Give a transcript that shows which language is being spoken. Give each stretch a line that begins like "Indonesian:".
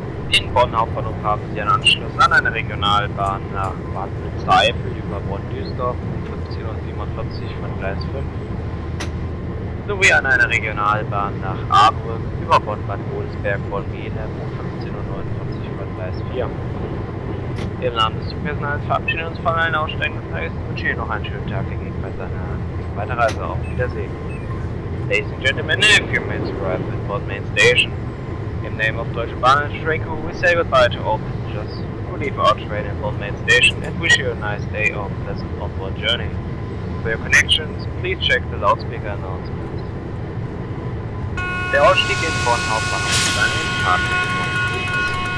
German: In Bonn Hauptbahnhof haben Sie einen Anschluss an eine Regionalbahn nach Bad Zweifel über Bonn-Duisdorf um 15:47 von Gleis 5 sowie an eine Regionalbahn nach Ahrbrück über Bonn-Bad Godesberg von Wehlem um 15:49 von Gleis 4. Im Namen des Zugpersonals verabschieden wir uns von allen aussteigenden Fahrgästen und wünschen Ihnen noch einen schönen Tag, gegebenenfalls eine weitere Reise. Auf Wiedersehen.
English: Ladies and gentlemen, if you may arrive at Bonn Main Station. In name of Deutsche Bahn and Schreko, we say goodbye to all passengers who leave our train at Bonn Main Station and wish you a nice day or pleasant onward journey. For your connections, please check the loudspeaker announcements.
German: Der Ausstieg in Bonn Hauptbahnhof ist eine Fahrt.